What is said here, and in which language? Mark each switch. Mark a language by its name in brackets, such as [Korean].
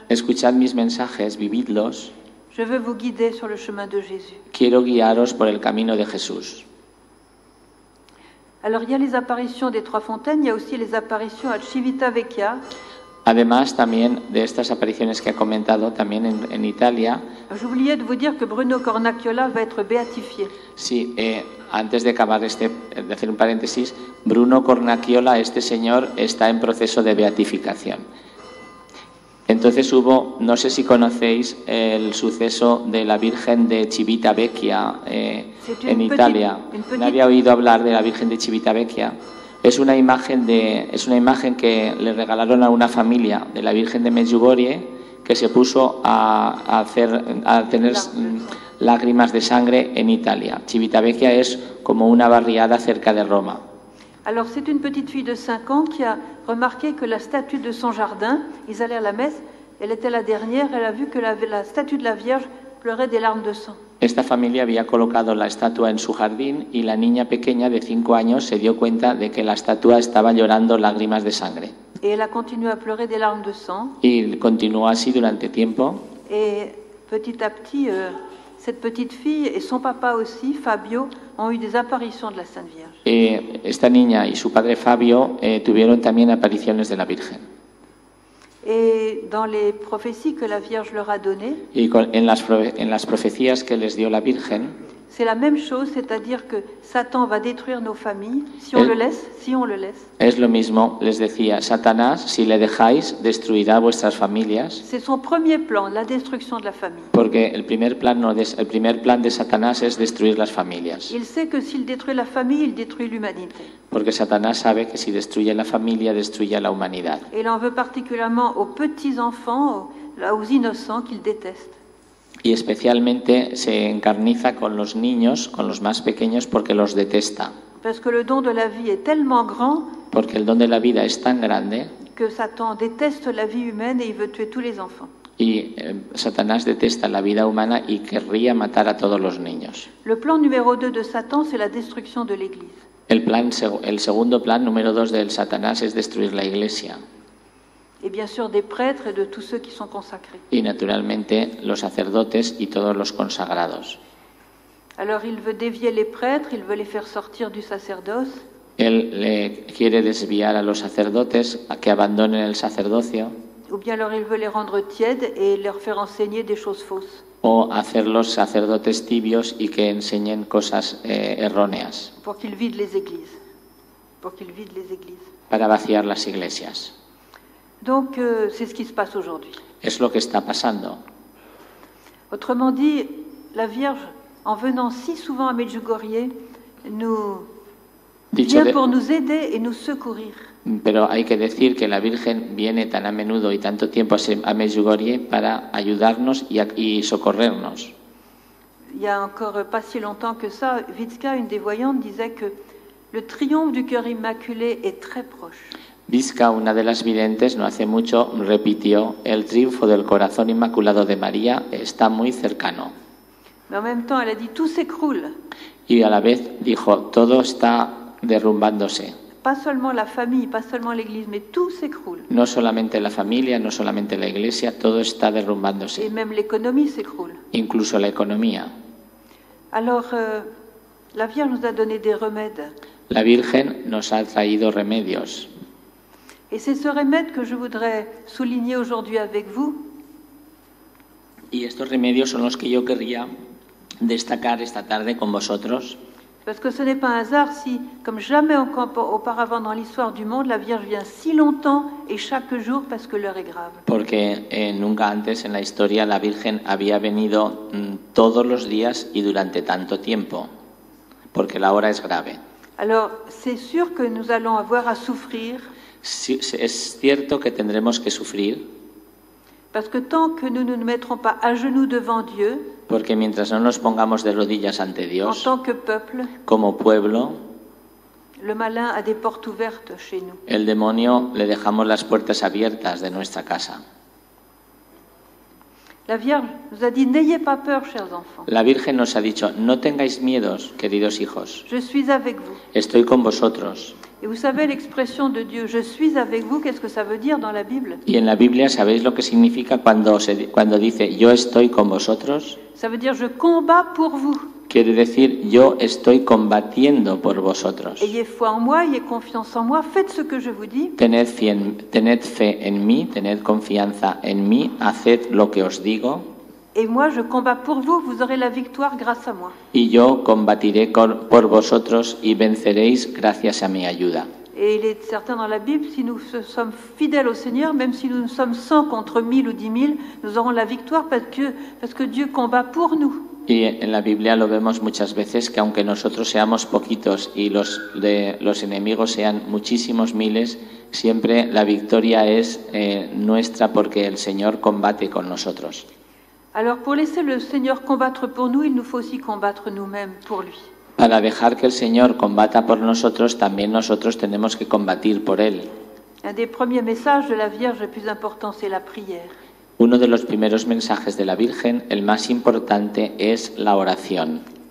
[Spanish] Escuchad mis mensajes, vividlos. [French] Je veux vous guider sur le chemin de Jésus. [Spanish] Quiero guiaros por el camino de Jesús». [French] Alors il y a les apparitions des Trois Fontaines, il y a aussi les apparitions à Civitavecchia. [Spanish] Además, también de estas apariciones que ha comentado, también en Italia. [French] J'oubliais de vous dire que Bruno Cornacchiola va être béatifié. [Spanish] Sí, antes de acabar este, de hacer un paréntesis, Bruno Cornacchiola, este señor, está en proceso de beatificación. Entonces hubo, no sé si conocéis el suceso de la Virgen de Civitavecchia en Italia. Nadie había oído hablar de la Virgen de Civitavecchia. Es una imagen que le regalaron a una familia de la Virgen de Medjugorje, que se puso a tener lágrimas de sangre en Italia. Civitavecchia es como una barriada cerca de Roma. [French] Alors, c'est une petite fille de 5 ans qui a remarqué que la statue de son jardin, ils allaient à la messe, elle était la dernière, elle a vu que la statue de la Vierge pleurait des larmes de sang. [Spanish] Esta familia había colocado la estatua en su jardín y la niña pequeña de 5 años se dio cuenta de que la estatua estaba llorando lágrimas de sangre. [French] Et elle a continué à pleurer des larmes de sang. [Spanish] Y continuó así durante tiempo. [French] Et petit à petit, cette petite fille et son papa aussi, Fabio, ont eu des apparitions de la Sainte Vierge. [Spanish] Et esta niña y su padre Fabio tuvieron también apariciones de la Virgen. [French] Et dans les prophéties que la Vierge leur a données, [Spanish] y en las profecías que les dio la Virgen, [French] c'est la même chose, c'est-à-dire que Satan va détruire nos familles si on le laisse, si on le laisse. [Spanish] Es lo mismo, les decía, Satanás, si le dejáis, destruirá vuestras familias. [French] C'est son premier plan, la destruction de la famille. [Spanish] Porque el primer plan de Satanás es destruir las familias. [French] Il sait que s'il détruit la famille, il détruit l'humanité. [Spanish] Porque Satanás sabe que si destruye la familia, destruye la humanidad. [French] Et il en veut particulièrement aux petits-enfants, aux innocents qu'il déteste. [Spanish] Y especialmente se encarniza con los niños, con los más pequeños, porque los detesta. [French] Parce que le don de la vie est tellement grand, [Spanish] porque el don de la vida es tan grande [French] que Satan déteste la vie humaine et il veut tuer tous les enfants. [Spanish] Y Satanás detesta la vida humana y querría matar a todos los niños. [French] Le plan numéro 2 de Satan, c'est la destruction de l'Église. [Spanish] El segundo plan número 2 del Satanás es destruir la Iglesia. [French] Et bien sûr des prêtres et de tous ceux qui sont consacrés. [Spanish] Y naturalmente los sacerdotes y todos los consagrados. [French] Alors il veut dévier les prêtres, il veut les faire sortir du sacerdoce. [Spanish] Él le quiere desviar a los sacerdotes a que abandonen el sacerdocio. [French] Ou bien alors il veut les rendre tièdes et leur faire enseigner des choses fausses. [Spanish] O hacerlos sacerdotes tibios y que enseñen cosas erróneas. [French] Pour qu'ils vident les églises. Pour qu'ils vident les églises. [Spanish] Para vaciar las iglesias. [French] Donc c'est ce qui se passe aujourd'hui. [Spanish] Es lo que está pasando. [French] Autrement dit, la Vierge, en venant si souvent à Medjugorje, nous vient pour nous aider et nous secourir. [Spanish] Pero hay que decir que la Virgen viene tan a menudo y tanto tiempo a Medjugorje para ayudarnos y socorrernos. [French] Il y a encore pas si longtemps que ça, Witzka, une des voyantes, disait que le triomphe du cœur immaculé est très proche. [Spanish] Vizca, una de las videntes, no hace mucho, repitió: «El triunfo del corazón inmaculado de María está muy cercano». [French] En même temps, elle a dit, tout s'écroule. [Spanish] Y a la vez dijo: «Todo está derrumbándose». [French] Pas seulement la famille, pas seulement l'église, mais tout s'écroule. [Spanish] No solamente la familia, no solamente la iglesia, todo está derrumbándose. [French] Et même l'économie s'écroule. [Spanish] Incluso la economía. [French] Alors, la Vierge nous a donné des remèdes. [Spanish] La Virgen nos ha traído remedios. [French] Et c'est ce remède que je voudrais souligner aujourd'hui avec vous. [Spanish] Y estos remedios son los que yo querría destacar esta tarde con vosotros. [French] Parce que ce n'est pas un hasard si, comme jamais auparavant dans l'histoire du monde, la Vierge vient si longtemps et chaque jour parce que l'heure est grave. [Spanish] Porque nunca antes en la historia la Virgen había venido todos los días y durante tanto tiempo, porque la hora es grave. [French] Alors, c'est sûr que nous allons avoir à souffrir. [Spanish] Sí, es cierto que tendremos que sufrir. [French] Parce que tant que nous ne nous mettrons pas à genoux devant Dieu, [Spanish] porque mientras no nos pongamos de rodillas ante Dios, [French] en tant que peuple, [Spanish] como pueblo, [French] Le malin a des portes ouvertes chez nous. [Spanish] El demonio le dejamos las puertas abiertas de nuestra casa. [French] La Vierge nous a dit, n'ayez pas peur, chers enfants. [Spanish] La Virgen nos ha dicho, no tengáis miedos, queridos hijos. [French] Je suis avec vous. [Spanish] Estoy con vosotros. [French] Et vous savez l'expression de Dieu, je suis avec vous, qu'est-ce que ça veut dire dans la Bible? [Spanish] Y en la Biblia, ¿sabéis lo que significa cuando dice, yo estoy con vosotros? [French] Ça veut dire, je combats pour vous. [Spanish] Quiere decir, yo estoy combatiendo por vosotros. [French] Ayez foi en moi, ayez confiance en moi, faites ce que je vous dis. [Spanish] Tened fe en mí, tened confianza en mí, haced lo que os digo. [French] Et moi, je combats pour vous, vous aurez la victoire grâce à moi. [Spanish] Y yo combatiré por vosotros y venceréis gracias a mi ayuda. [French] Et il est certain dans la Bible, si nous sommes fidèles au Seigneur, même si nous sommes 100 contre 1000 ou 10 000, nous aurons la victoire parce que Dieu combat pour nous. [Spanish] Y en la Biblia lo vemos muchas veces que aunque nosotros seamos poquitos y los enemigos sean muchísimos miles, siempre la victoria es nuestra porque el Señor combate con nosotros. [French] Alors pour laisser le Seigneur combattre pour nous, il nous faut aussi combattre nous-mêmes pour lui. [Spanish] Para dejar que el Señor combata por nosotros, también nosotros tenemos que combatir por él. [French] Un des premiers messages de la Vierge, le plus important, c'est la prière. [Spanish] Uno de los primeros mensajes de la Virgen, el más importante, es la oración.